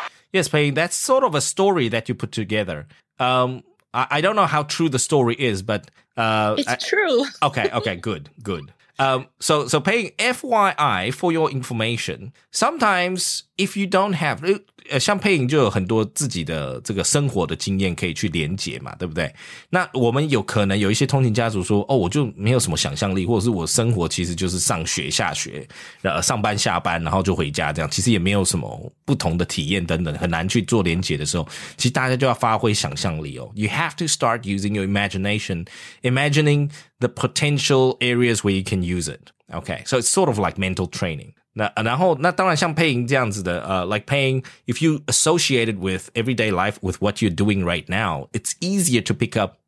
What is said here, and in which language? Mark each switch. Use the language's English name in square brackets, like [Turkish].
[English] Yes, Payne, that's sort of a story that you put together. I don't know how true the story is, but... It's true. Okay, good. So Payne, FYI, for your information, sometimes if you don't have... [Chinese] 像佩莹就有很多自己的这个生活的经验可以去连结嘛，对不对？那我们有可能有一些通勤家族说，哦，我就没有什么想象力，或者是我生活其实就是上学下学，上班下班，然后就回家这样，其实也没有什么不同的体验等等，很难去做连结的时候，其实大家就要发挥想象力哦。 [English] You have to start using your imagination, imagining the potential areas where you can use it. Okay, so it's sort of like mental training. [Chinese] 那当然像佩莹这样子的 [English] like paying, if you associate it with everyday life, with what you're doing right now, it's easier to pick up